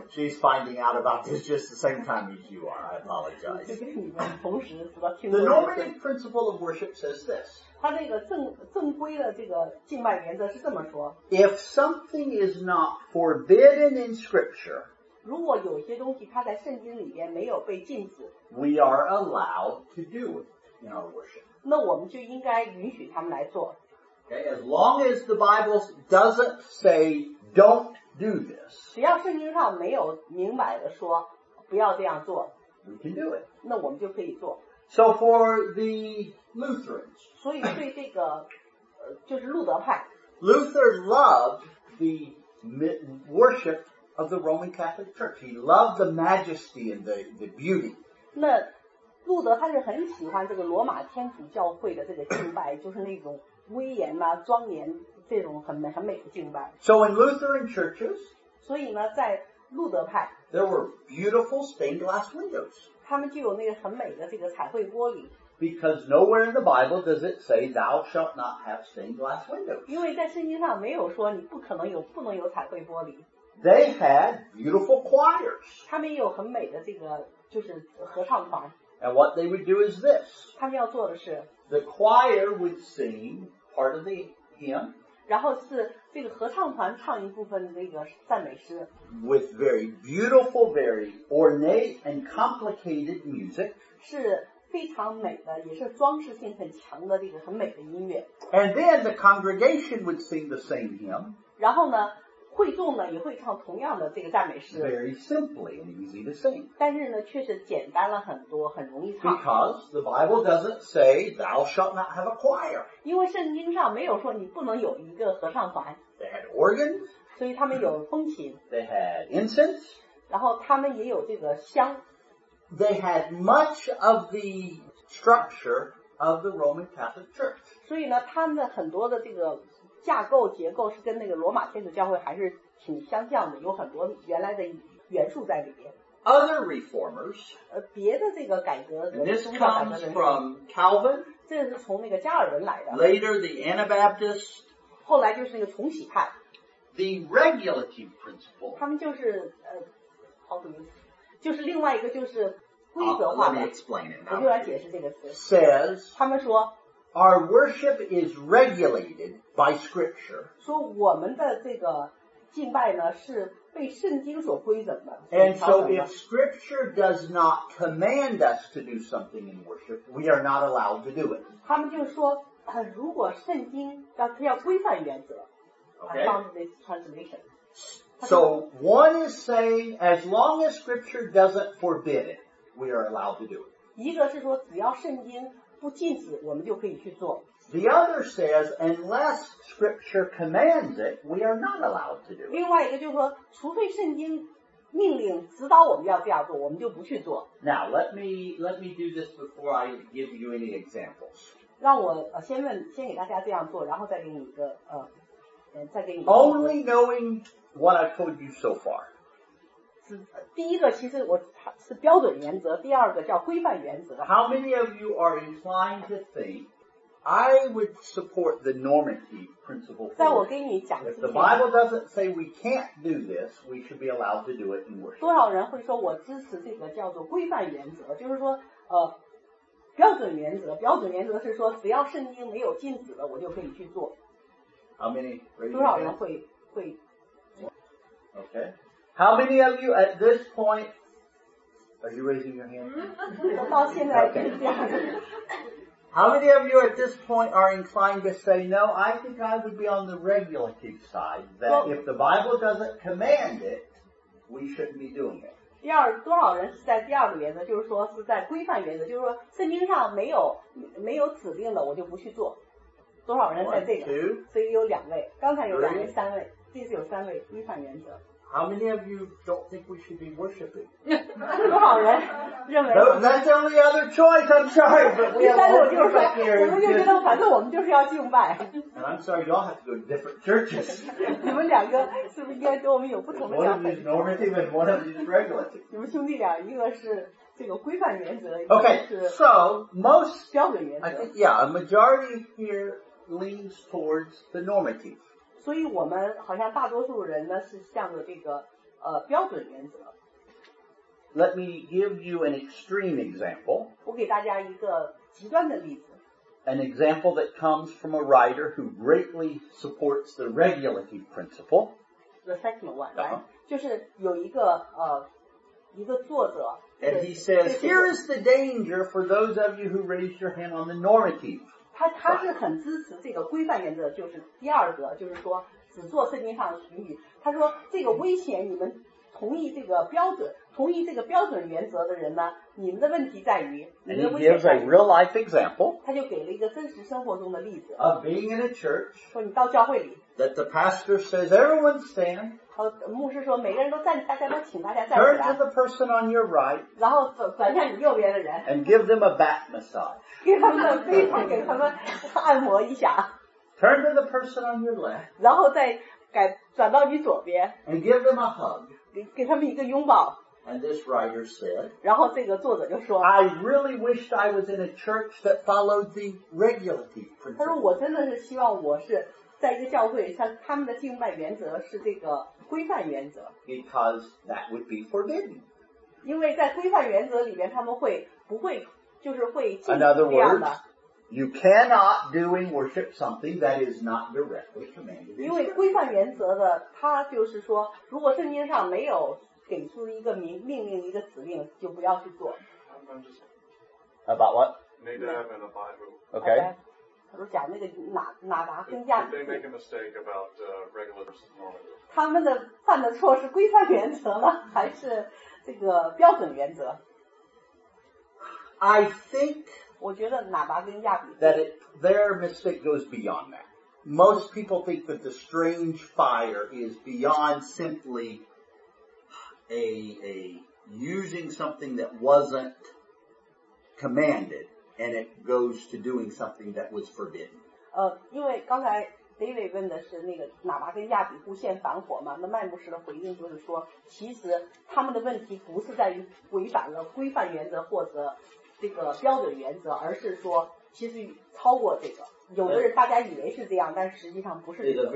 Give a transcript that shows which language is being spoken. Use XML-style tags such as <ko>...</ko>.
<en>She's finding out about this just the same time as you are. I apologize. The normative principle of worship says this.</en> <zh>它这个正规的这个敬拜原则是这么说。</zh> <en>If something is not forbidden in Scripture,</en> <zh>如果有些东西它在圣经里边没有被禁止,</zh> <en>we are allowed to do it in our worship.</en> <zh>那我们就应该允许他们来做。</zh> <en>Okay, as long as the Bible doesn't say don't do this,</en> <zh>只要圣经上没有明白的说不要这样做，</zh> <en>we can do it.</en> <zh>那我们就可以做。</zh> <en>So for the Lutherans,</en> <zh>所以对这个就是路德派。</zh> <en>Luther loved the worship of the Roman Catholic Church. He loved the majesty and the beauty.</en> <zh>那路德他是很喜欢这个罗马天主教会的这个敬拜，就是那种威严啊庄严这种很美的敬拜。</zh> <en>So in Lutheran churches,</en> <zh>所以呢在路德派</zh> <en>there were beautiful stained glass windows.</en> <zh>他们就有那个很美的这个彩绘玻璃。</zh> <en>Because nowhere in the Bible does it say thou shalt not have stained glass windows.</en> <zh>因为在圣经上没有说你不能有彩绘玻璃。</zh> <en>They had beautiful choirs.</en> <zh>他们也有很美的这个就是合唱团。</zh> <en>And what they would do is this.</en> <zh>他们要做的是</zh> <en>the choir would sing part of the hymn.</en> <zh>然后是这个合唱团唱一部分那个赞美诗</zh> <en>with very beautiful, very ornate and complicated music.</en> <zh>是非常美的，也是装饰性很强的这个很美的音乐</zh> <en>And then the congregation would sing the same hymn.</en> <zh>然后呢会众呢也会唱同样的这个赞美诗</zh> <en>Very simply and easy to sing.</en> <zh>但是呢却是简单了很多很容易唱</zh> <en>Because the Bible doesn't say thou shalt not have a choir.</en> <zh>因为圣经上没有说你不能有一个合唱团</zh> <en>They had organs.</en> <zh>所以他们有风琴</zh> <en>They had incense.</en> <zh>然后他们也有这个香</zh> <en>They had much of the structure of the Roman Catholic Church.</en> <zh>所以呢他们的很多的这个架构结构是跟那个罗马天主教会还是挺相像的，有很多原来的元素在里边。</zh> <en>Other reformers,</en> <zh>别的这个改革</zh> <en>，this comes from Calvin,</en> <zh>这是从那个加尔文来的。</zh> <en>Later the Anabaptists,</en> <zh>后来就是那个重禧派。</zh> <en>The regulative principle,</en> <zh>他们就是就是另外一个就是规则化的。</zh> <en>Let me explain it.</en> <zh>我就来解释这个词。</zh> <en>Says,</en> <zh>他们说。</zh> <en>Our worship is regulated by Scripture.</en> <zh>说我们的这个敬拜呢是被圣经所规整的。</zh> <en>And so if Scripture does not command us to do something in worship, we are not allowed to do it.</en> <zh>他们就说如果圣经要规范原则</zh> <en>Okay. Translation. So one is saying as long as Scripture doesn't forbid it, we are allowed to do it.</en> <zh>一个是说只要圣经不禁止我们就可以去做。</zh> <en>The other says, unless Scripture commands it, we are not allowed to do it.</en> <zh>另外一个就是说，除非圣经命令指导我们要这样做，我们就不去做。</zh> <en>Now, let me do this before I give you any examples.</en> <zh>让我先给大家这样做，然后再给你一个再给你。</zh> <en>Only knowing what I've told you so far.</en> <zh>第一个其实我是标准原则，第二个叫规范原则。</zh> <en>How many of you are inclined to think I would support the normative principle?</en> <zh>在我给你讲之前</zh> <en>，If the Bible doesn't say we can't do this, we should be allowed to do it in worship.</en> <zh>多少人会说我支持这个叫做规范原则，就是说标准原则。标准原则是说只要圣经没有禁止的，我就可以去做。</zh> <en>How many?</en> <zh>多少人会</zh> <en>？Okay. How many of you at this point, are you raising your hand?</en> <zh>我到现在就是这样。</zh> <en>How many of you at this point are inclined to say, no, I think I would be on the regulative side, that well, if the Bible doesn't command it, we shouldn't be doing it.</en> <zh>多少人是在第二个原则，就是说是在规范原则，就是说圣经上没有指令的，我就不去做。多少人在这个？</zh> <en>One, two,</en> <zh>所以有两位，刚才有两位，</zh> <en>three,</en> <zh>三位，这次有三位违反原则。</zh> <en>How many of you don't think we should be worshiping?</en> <zh>多少人认为</zh> <en>？That's the only other choice. I'm sorry, but we have worship here.</en> <zh>第三种就是说，我们就觉得反正我们就是要敬拜。</zh> <en>And I'm sorry, you all have to go to different churches.</en> <zh>你们两个是不是应该跟我们有不同的想法</zh> <en>？One is normative and one of these regulative.</en> <zh>你们兄弟俩一个是。</zh> <en>Okay, so most, I think, yeah, a majority here leans towards the normative.</en> <zh>所以我们好像大多数人呢是向着这个标准原则。</zh> <en>Let me give you an extreme example.</en> <zh>我给大家一个极端的例子。</zh> <en>An example that comes from a writer who greatly supports the regulative principle. The second one, right?</en> <zh>就是有一个作者。</zh> <en>And he says, here is the danger for those of you who raise your hand on the normative.</en> <zh>他是很支持这个规范原则，就是第二个，就是说只做圣经上的许可。他说这个危险，你们同意这个标准，同意这个标准原则的人呢，你们的问题在于。</zh> <en>And he gives a real life example.</en> <zh>他就给了一个真实生活中的例子。</zh> <en>Of being in a church.</en> <zh>说你到教会里。</zh> <en>That the pastor says, everyone stand.</en> <zh>牧师说每个人都站大家都请大家站起来</zh> <en>Turn to the person on your right</en> <zh>然后转向你右边的人</zh> <en>And give them a back massage</en> <zh>给他们非常给他们按摩一下</zh> <en>Turn to the person on your left</en> <zh>然后再改转到你左边</zh> <en>And give them a hug</en> <zh>给他们一个拥抱</zh> <en>And this writer said</en> <zh>然后这个作者就说</zh> <en>I really wished I was in a church that followed the regulative principle</en> <zh>他说我真的是希望我是在一个教会像他们的敬拜原则是这个规范原则</zh> <en>Because that would be forbidden.</en> <zh>因为在规范原则里面他们会不会就是会禁止</zh> <en>In other words, you cannot do in worship something that is not directly commanded.</en> <zh>因为规范原则的他就是说如果圣经上没有给出一个命令一个指令就不要去做</zh> <en>About what? Need to have in the Bible. Okay.</en> <zh>他说讲那个哪达跟亚比。</zh> <en>They make a mistake about regular versus normative.</en> <zh>他们的犯的错是规范原则吗？还是这个标准原则</zh> <en>？I think.</en> <zh>我觉得哪达跟亚比。</zh> <en>That their mistake goes beyond that. Most people think that the strange fire is beyond simply a using something that wasn't commanded. And it goes to doing something that was forbidden.</en> <zh>因为刚才 David 问的是那个喇叭跟亚比户献反火嘛，那麦牧师的回应就是说，其实他们的问题不是在于违反了规范原则或者这个标准原则，而是说其实超过这个。有的人大家以为是这样，但实际上不是这个。</zh>